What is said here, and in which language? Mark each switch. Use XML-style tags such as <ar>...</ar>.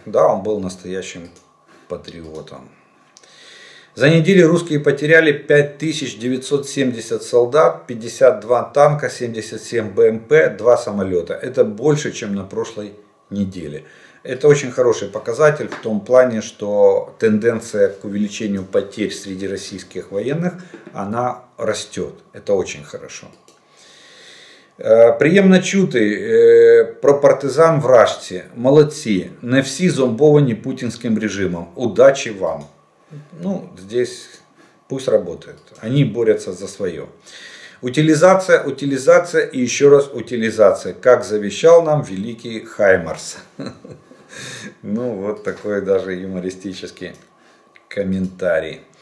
<ru>Да, он был настоящим патриотом. За неделю русские потеряли 5970 солдат, 52 танка, 77 БМП, 2 самолета. Это больше, чем на прошлой неделе. Это очень хороший показатель в том плане, что тенденция к увеличению потерь среди российских военных, она растет. Это очень хорошо.</ru> <uk>Приємно чути про партизан в Рашці. Молодці, не всі зомбовані путінським режимом. Удачі вам.</uk> <ru>Ну, здесь пусть работают. Они борются за свое. Утилизация, утилизация и еще раз утилизация. Как завещал нам великий Хаймарс. Ну, вот такой даже юмористический комментарий.</ru>